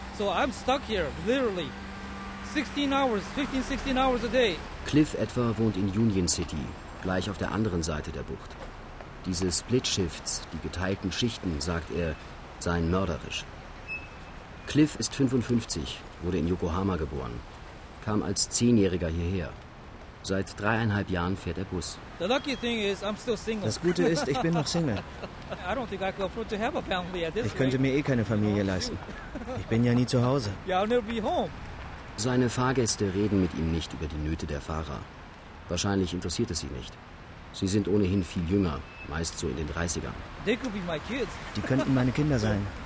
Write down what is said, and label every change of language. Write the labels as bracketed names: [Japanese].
[English] So I'm stuck here literally 16 hours a day. [German] Cliff etwa wohnt in Union City, gleich auf der anderen Seite der Bucht. Diese Split-Shifts, die geteilten Schichten, sagt er, seien mörderisch. Cliff ist 55, wurde in Yokohama geboren, kam als 10-Jähriger hierher. Seit 3,5 Jahren fährt er Bus. [English] The lucky thing is, I'm still single. [German] Das Gute ist, ich bin noch Single. [English] I don't think I can afford to have a family at this [German] Ich könnte mir eh keine Familie leisten. Ich bin ja nie zu Hause. [English] Yeah, I'll never be home. [German] Seine Fahrgäste reden mit ihm nicht über die Nöte der Fahrer. Wahrscheinlich interessiert es sie nicht. Sie sind ohnehin viel jünger, meist so in den 30ern. Die könnten meine Kinder sein.